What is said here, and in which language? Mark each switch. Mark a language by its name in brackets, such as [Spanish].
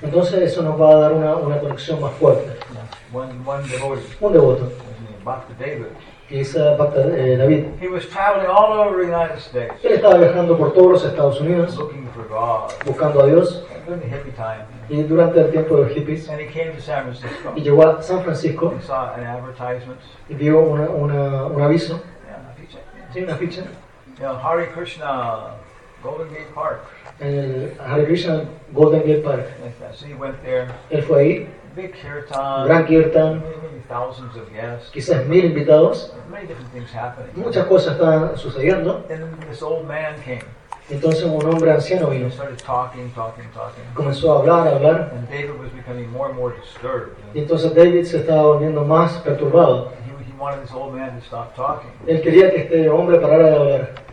[Spanish] Entonces eso nos va a dar una conexión más fuerte. Un devoto. Bhakta David. [English] He was traveling all over the United States. [Spanish] Él estaba viajando por todos los Estados Unidos. [English] Looking for God. [Spanish] Buscando a Dios. [English] During the hippie time. [Spanish] Y durante el tiempo de los hippies. [English] And he came to San Francisco. [Spanish] Y llegó a San Francisco. [English] He saw an advertisement. [Spanish] Y vio un aviso. Una ficha. Hare Krishna, Golden Gate Park. Hare Krishna Golden Gate Park. [English] So he went there. [Spanish] Él fue ahí. [English] Big kirtan. [Spanish] Gran kirtan. [English] Thousands of guests. [Spanish] Quizás mil invitados. [English] Many different things happening. [Spanish] Muchas cosas estaban sucediendo. [English] And then this old man came. [Spanish] Entonces un hombre anciano vino. [English] He started talking. [Spanish] Comenzó a hablar. [English] And David was becoming more and more disturbed. [Spanish] Y entonces David se estaba volviendo más perturbado. [English] He wanted this old man to stop talking. [Spanish] Él quería que este hombre parara de hablar.